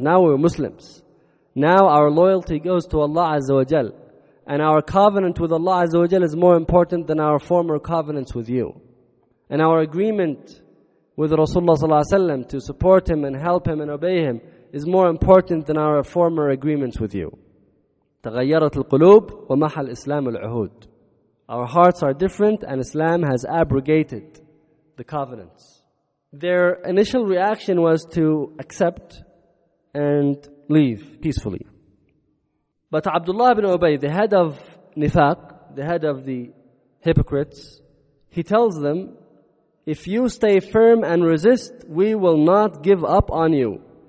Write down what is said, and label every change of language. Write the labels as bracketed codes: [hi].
[en] Now we're Muslims. Now our loyalty goes to Allah Azza wa Jal. And our covenant with Allah Azza wa Jal is more important than our former covenants with you. And our agreement with Rasulullah sallallahu alayhi wa sallam to support him and help him and obey him is more important than our former agreements with you. [ar] تغيرت القلوب ومحى الإسلام العهود. [en] Our hearts are different and Islam has abrogated the covenants. Their initial reaction was to accept and leave peacefully. But Abdullah ibn Ubay, the head of Nifaq, the head of the hypocrites, he tells them, if you stay firm and resist, we will not give up on you.